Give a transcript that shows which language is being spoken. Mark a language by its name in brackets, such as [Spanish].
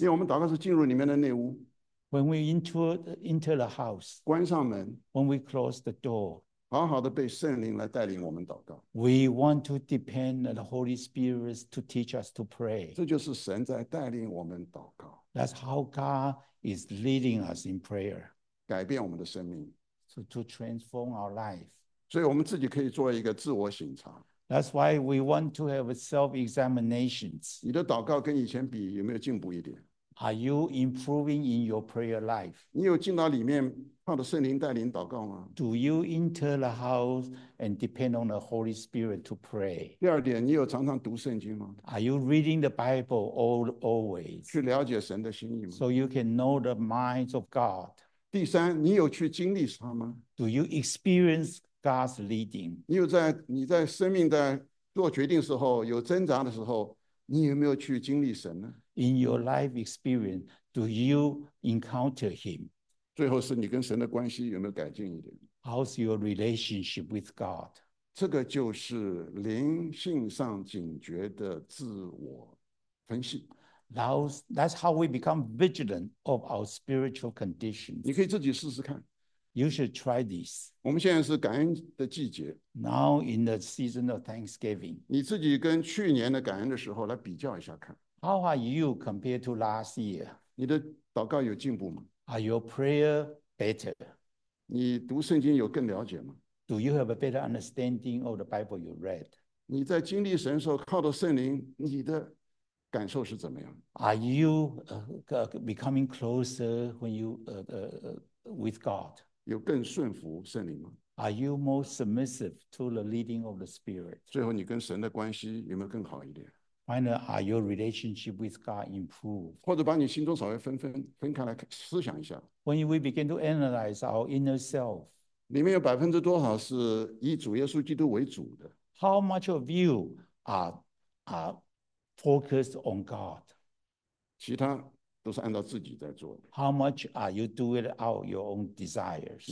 [Chinese] 因为我们祷告是进入里面的内屋。 [English] When we enter the house, [Chinese] 关上门。 [English] When we close the door, [Chinese] 好好的被圣灵来带领我们祷告。 [English] We want to depend on the Holy Spirit to teach us to pray. [Chinese] 这就是神在带领我们祷告。 [English] That's how God is leading us in prayer. [Chinese] 改变我们的生命。 [English] So to transform our life. [Chinese] 所以我们自己可以做一个自我省察。 [English] That's why we want to have self-examinations. [Chinese] 你的祷告跟以前比有没有进步一点？ [English] Are you improving in your prayer life? [Chinese] 你有进到里面靠着圣灵带领祷告吗？ [English] Do you enter the house and depend on the Holy Spirit to pray? [Chinese] 第二点，你有常常读圣经吗？ [English] Are you reading the Bible always? [Chinese] 去了解神的心意吗？ [English] So you can know the minds of God. [Chinese] 第三，你有去经历他吗？ [English] Do you experience God's leading. [Chinese] 你在生命在做决定时候有挣扎的时候，你有没有去经历神呢？ [English] In your life experience, do you encounter Him? [Chinese] 最后是你跟神的关系有没有改进一点？ [English] How's your relationship with God? [Chinese] 这个就是灵性上警觉的自我分析。 [English] That's how we become vigilant of our spiritual conditions. [Chinese] 你可以自己试试看。 [English] You should try this. [Chinese] 我们现在是感恩的季节。 [English] Now in the season of Thanksgiving. [Chinese] 你自己跟去年的感恩的时候来比较一下看。 [English] How are you compared to last year? [Chinese] 你的祷告有进步吗？ [English] Are your prayer better? [Chinese] 你读圣经有更了解吗？ [English] Do you have a better understanding of the Bible you read? [Chinese] 你在经历神的时候靠着圣灵，你的感受是怎么样？ [English] Are you becoming closer when you, with God? [Chinese] 有更顺服圣灵吗？ [English] Are you more submissive to the leading of the Spirit? [Chinese] 最后你跟神的关系有没有更好一点？ [English] Finally, are your relationship with God improved? [Chinese] 或者把你心中稍微分开来思想一下。 [English] When we begin to analyze our inner self, [Chinese] 里面有百分之多少是以主耶稣基督为主的？ [English] How much of you are focused on God? [Chinese] 其他都是按照自己在做的。 [English] How much are you doing out your own desires?